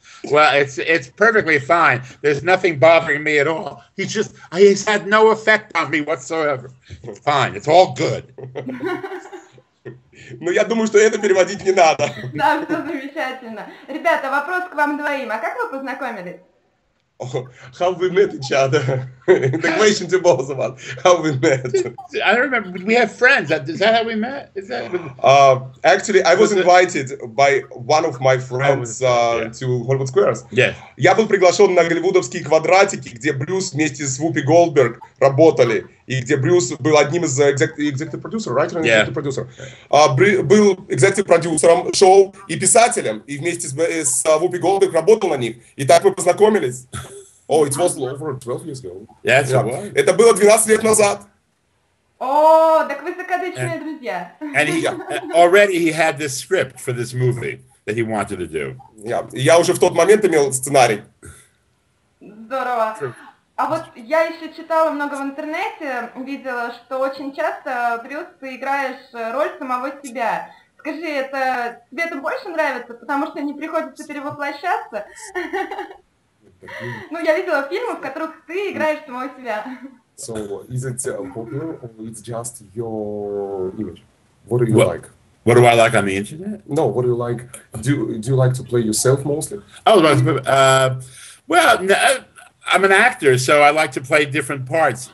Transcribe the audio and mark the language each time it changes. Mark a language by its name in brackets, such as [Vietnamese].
[English] Well, it's perfectly fine. There's nothing bothering me at all. He's had no effect on me whatsoever. It's fine. It's all good. [Russian] Ну, я думаю, что это переводить не надо. Да, все замечательно. Ребята, вопрос к вам двоим. А как вы познакомились? [English] Oh, how we met each other. The question to both of us, how we met. I don't remember. We have friends. Is that how we met? Is that? Actually, I was invited by one of my friends to Hollywood Squares. Yeah. [Russian] Я был приглашен на голливудовские квадратики, где Брюс вместе с Вупи Голдберг работали, и где Брюс был одним из [English] executive producer, writer and executive producer. [Russian] Был executive producer'ом шоу и писателем, и вместе с Вупи Голдберг работал на них. И так мы познакомились. [English] Oh, it was over 12 years ago. Yes, it was. [Russian] Это было 12 лет назад. Oh, так вы закадычные друзья. [English] And he already he had this script for this movie that he wanted to do. [Russian] Yeah, я уже в тот момент имел сценарий. Здорово. А вот я еще читала много в интернете, видела, что очень часто, Брюс, ты играешь роль самого себя. Скажи, это тебе это больше нравится, потому что не приходится перевоплощаться? Ну, я видела фильмы, в которых ты играешь самого себя. [English] So, is it popular or it's just your image? What do you like? What do I like on the internet? No, what do you like? Do you like to play yourself mostly? Oh, well, I'm an actor, so I like to play different parts.